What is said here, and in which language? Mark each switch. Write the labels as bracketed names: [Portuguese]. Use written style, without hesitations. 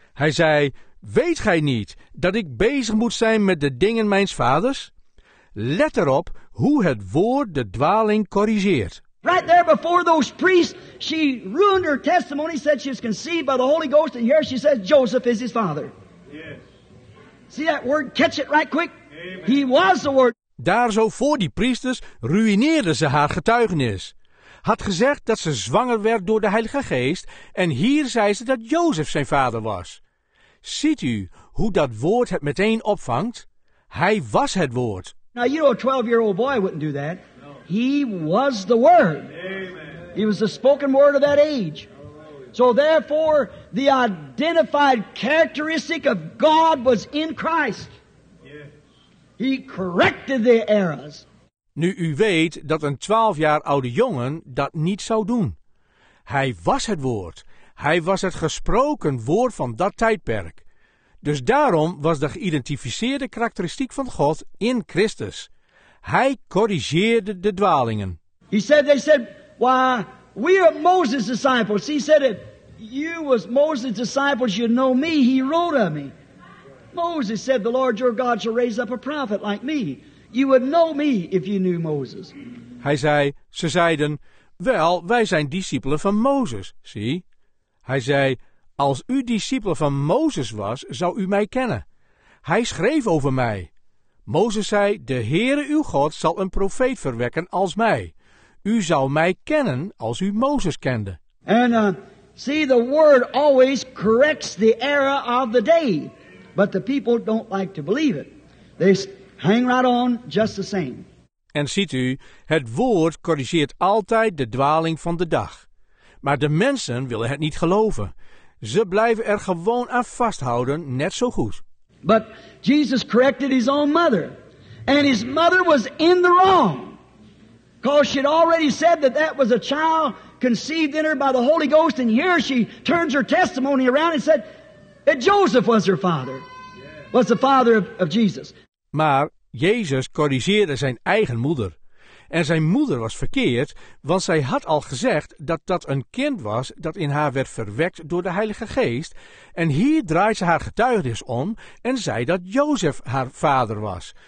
[Dutch] Hij zei, weet gij niet dat ik bezig moet zijn met de dingen mijns vaders? Let erop hoe het woord de dwaling corrigeert. [English] Right there before those priests, she ruined her testimony, said she was conceived by the Holy Ghost, and here she says Joseph is his father. Yes. See that word? Catch it right quick. Amen. He was the word. [Dutch] Daar zo voor die priesters ruïneerde ze haar getuigenis. Had gezegd dat ze zwanger werd door de Heilige Geest en hier zei ze dat Jozef zijn vader was. Ziet u hoe dat woord het meteen opvangt? Hij was het woord. [English] Now you know a 12-year-old boy wouldn't do that. He was the word. Amen. He was the spoken word of that age. So therefore, the identified characteristic of God was in Christ. He corrected the errors. [Dutch] Nu u weet dat een 12 jaar oude jongen dat niet zou doen. Hij was het woord. Hij was het gesproken woord van dat tijdperk. Dus daarom was de geïdentificeerde karakteristiek van God in Christus. Hij corrigeerde de dwalingen. [English] He said, they said, why, we are Moses' disciples. He said, if you was Moses' disciples, you'd know me. He wrote of me. Moses said, the Lord your God shall raise up a prophet like me. You would know me if you knew Moses. [Dutch] Hij zei, ze zeiden, wel, wij zijn discipelen van Mozes, zie. Hij zei, als u discipelen van Mozes was, zou u mij kennen. Hij schreef over mij. Mozes zei, de Heere uw God zal een profeet verwekken als mij. U zou mij kennen als u Mozes kende. [English] See, the word always corrects the error of the day. But the people don't like to believe it. They hang right on just the same. [Dutch] En ziet u, het woord corrigeert altijd de dwaling van de dag. Maar de mensen willen het niet geloven. Ze blijven er gewoon aan vasthouden, net zo goed. [English] But Jesus corrected his own mother. And his mother was in the wrong. Because she had already said that that was a child conceived in her by the Holy Ghost. And here she turns her testimony around and said that Joseph was her father. Was the father of Jesus. [Dutch] Maar Jezus corrigeerde zijn eigen moeder. En zijn moeder was verkeerd, want zij had al gezegd dat dat een kind was dat in haar werd verwekt door de Heilige Geest. En hier draait ze haar getuigenis om en zei dat Jozef haar vader was.